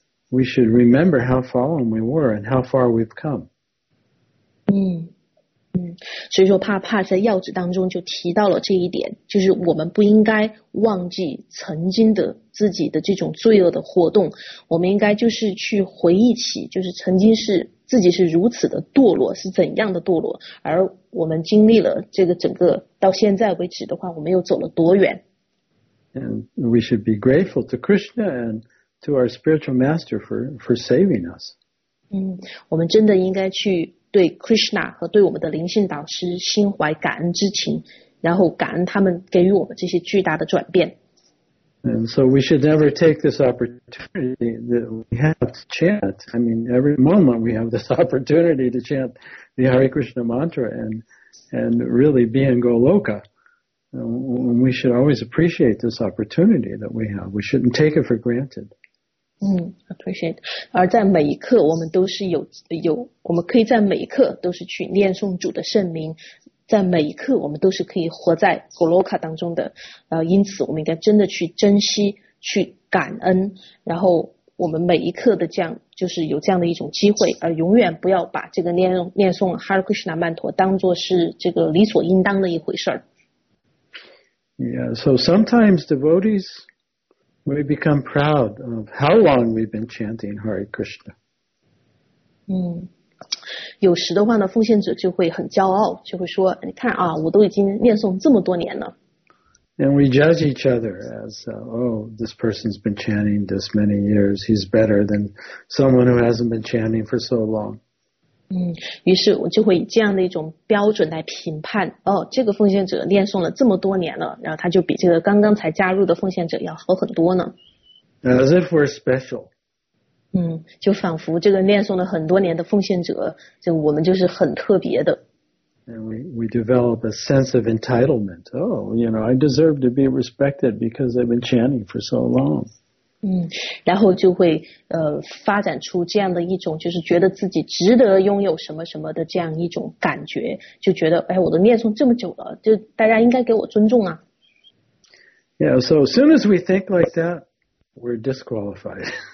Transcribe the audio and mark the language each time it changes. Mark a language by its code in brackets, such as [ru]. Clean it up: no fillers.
[en] We should remember how fallen we were and how far we've come. [zh] 嗯嗯，所以说帕在要旨当中就提到了这一点，就是我们不应该忘记曾经的自己的这种罪恶的活动，我们应该就是去回忆起，就是曾经是。自己是如此的堕落，是怎样的堕落？而我们经历了这个整个到现在为止的话，我们又走了多远 [en] ？And we should be grateful to Krishna and to our spiritual master for saving us. [zh] 嗯，我们真的应该去对 Krishna 和对我们的灵性导师心怀感恩之情，然后感恩他们给予我们这些巨大的转变。 [en] And so we should never take this opportunity that we have to chant. I mean, every moment we have this opportunity to chant the Hare Krishna mantra and really be in Goloka. And we should always appreciate this opportunity that we have. We shouldn't take it for granted. Appreciate. [zh] 而在每一刻我们都是有我们可以在每一刻都是去念诵主的圣名。在每一刻我们都是可以活在 Goloka 当中的因此我们应该真的去珍惜去感恩然后我们每一刻的这样就是有这样的一种机会而永远不要把这个念诵 Hare Krishna mantra 当作是这个理所应当的一回事儿。 [en] Yeah, so sometimes devotees we become proud of how long we've been chanting Hare Krishna. [zh] 嗯有时的话呢奉献者就会很骄傲就会说你看啊我都已经念诵这么多年了。 [en] And we judge each other as, this person's been chanting this many years, he's better than someone who hasn't been chanting for so long. [zh] 嗯于是我就会以这样的一种标准来评判哦这个奉献者念诵了这么多年了然后他就比这个刚刚才加入的奉献者要好很多呢。 [en] As if we're special. [zh] 嗯，就仿佛这个念诵了很多年的奉献者，就我们就是很特别的。 [en] And we develop a sense of entitlement. Oh, you know, I deserve to be respected because I've been chanting for so long. [zh] 然后就会发展出这样的一种，就是觉得自己值得拥有什么什么的这样一种感觉，就觉得哎，我都念诵这么久了，就大家应该给我尊重啊。 [en] Yeah, so as soon as we think like that, we're disqualified.